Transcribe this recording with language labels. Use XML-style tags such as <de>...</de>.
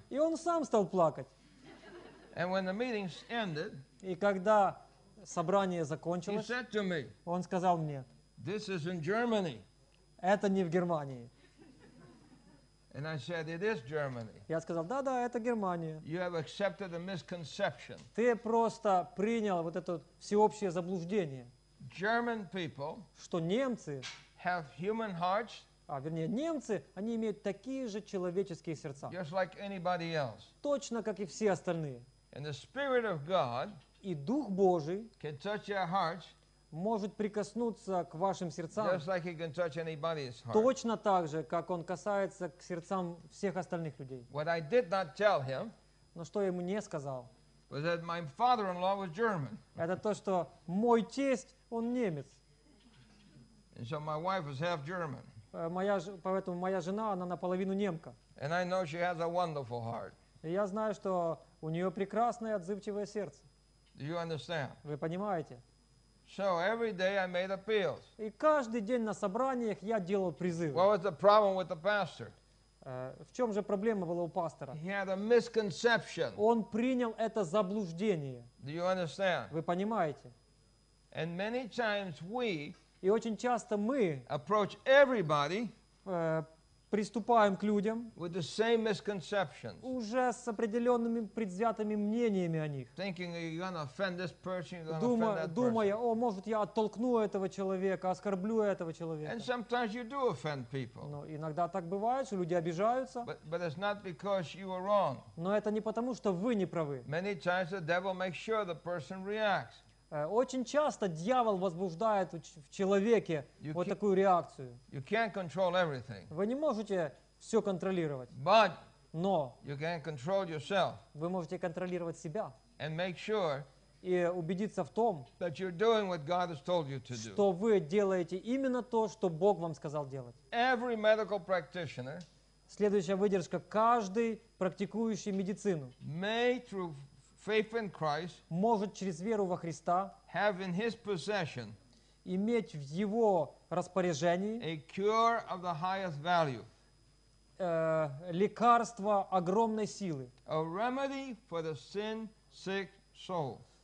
<ru>И он сам стал плакать.</ru> <en>And when the meetings ended,</en> <ru>и когда собрание закончилось,</ru> <en>he said to me,</en> <ru>он сказал мне,</ru> <en>this is in Germany.</en> <ru>Это не в Германии.</ru> <en>And I said, it is Germany.</en> <ru>Я сказал, да-да, это Германия.</ru> <en>You have accepted a misconception.</en> <ru>Ты просто принял вот это всеобщее заблуждение.</ru> <en>German people</en> <ru>что немцы</ru> <en>have human hearts.</en> <ru>А вернее, немцы, они имеют такие же человеческие сердца.</ru> <en>Just like anybody else.</en> <ru>Точно как и все остальные.</ru> <en>And the Spirit of God.</en> <ru>И Дух Божий</ru> <en>can touch your hearts,</en> <ru>может прикоснуться к вашим сердцам,</ru> <en>just like he can touch anybody's heart.</en> <ru>Точно так же, как он касается к сердцам всех остальных людей.</ru> <en>What I did not tell him,</en> <ru>но что я ему не сказал,</ru> <en>was that my father-in-law was German.</en> <ru>Это то, что мой тесть, он немец.</ru> <en>And so my wife was half German.</en> <ru>Поэтому моя жена, она наполовину немка.</ru> <en>And I know she has a wonderful heart.</en> <ru>И я знаю, что у нее прекрасное отзывчивое сердце.</ru> <en>Do you understand?</en> <ru>Вы понимаете?</ru> <en>So every day I made appeals.</en> <ru>И каждый день на собраниях я делал призывы.</ru> <en>What was the problem with the pastor?</en> <ru>В чем же проблема была у пастора?</ru> <en>He had a misconception.</en> <ru>Он принял это заблуждение.</ru> <en>Do you understand?</en> <ru>Вы понимаете?</ru> <en>And many times we</en> <ru>и очень часто мы</ru> <en>approach everybody</en> <ru>приступаем к людям</ru> <en>with the same misconceptions,</en> <ru>уже с определенными предвзятыми мнениями о них.</ru> <en>Thinking you're gonna offend this person, you're gonna</en> <ru>думая, о, может, я оттолкну этого человека, оскорблю этого человека.</ru> <en>And sometimes you do offend people.</en> <ru>Но иногда так бывает, что люди обижаются.</ru> <en>But it's not because you are wrong.</en> <ru>Но это не потому, что вы не правы.</ru> <en>Many times the devil makes sure the person reacts.</en> <ru>Очень часто дьявол возбуждает в человеке</ru> <en>you</en> <ru>вот такую реакцию.</ru> <en>You can't control everything.</en> <ru>Вы не можете все контролировать.</ru> <en>But</en> <ru>но</ru> <en>you can control yourself.</en> <ru>Вы можете контролировать себя.</ru> <en>And make sure</en> <ru>и убедиться в том,</ru> <en>that you're doing what God has told you to do.</en> <ru>Что вы делаете именно то, что Бог вам сказал делать.</ru> <en>Every medical practitioner,</en> <ru>следующая выдержка. Каждый практикующий медицину</ru> <en>may through faith in Christ,</en> <ru>может через веру во Христа</ru> <en>have in his possession,</en> <ru>иметь в его распоряжении</ru> <en>a cure of the highest value,</en> <ru>лекарство огромной силы,</ru> <en>a remedy for the sin-sick soul,</en>